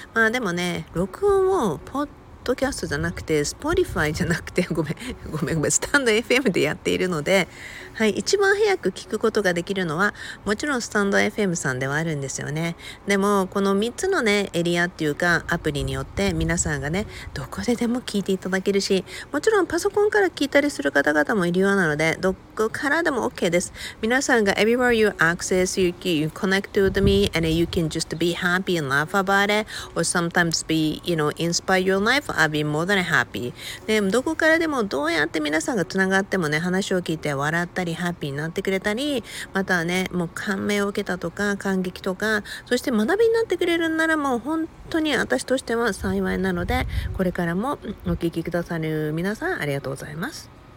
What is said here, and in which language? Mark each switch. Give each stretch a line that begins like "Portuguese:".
Japanese: まあでもね、録音をポッドキャストじゃなくて、スポリファイじゃなくて、ごめん、スタンド FM でやっているので、はい、一番早く聞くことができるのはもちろんスタンド FM さんではあるんですよね。でもこの3つのね、エリアっていうかアプリによって皆さんがね、どこででも聞いていただけるし、もちろんパソコンから聞いたりする方々もいるようなので、どこからでも OK です。皆さんが
English: Everywhere you access, you connect to me and you can just be happy and laugh about it or sometimes be, you know, inspire your life, I'll be more than happy.
Japanese: でどこからでも、どうやって皆さんがつながってもね、話を聞いて笑ってたりハッピーになってくれたり、またね、もう感銘を受けたとか感激とか、そして学びになってくれるなら、もう本当に私としては幸いなので、これからもお聞きくださる皆さん、ありがとうございます。